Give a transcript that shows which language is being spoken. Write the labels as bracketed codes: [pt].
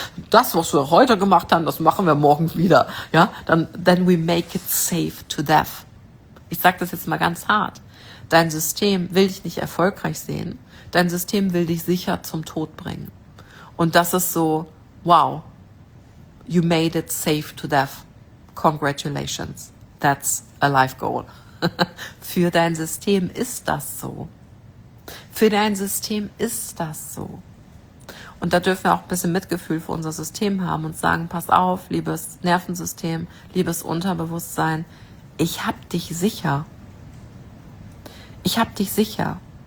[de] Das, was wir heute gemacht haben, das machen wir morgen wieder. Ja, dann [en] then we make it safe to death. [de] Ich sage das jetzt mal ganz hart. Dein System will dich nicht erfolgreich sehen. Dein System will dich sicher zum Tod bringen. Und das ist so, [en] wow, you made it safe to death. Congratulations, that's a life goal. [de] Für dein System ist das so. Für dein System ist das so. Und da dürfen wir auch ein bisschen Mitgefühl für unser System haben und sagen, pass auf, liebes Nervensystem, liebes Unterbewusstsein, ich hab dich sicher. Ich hab dich sicher.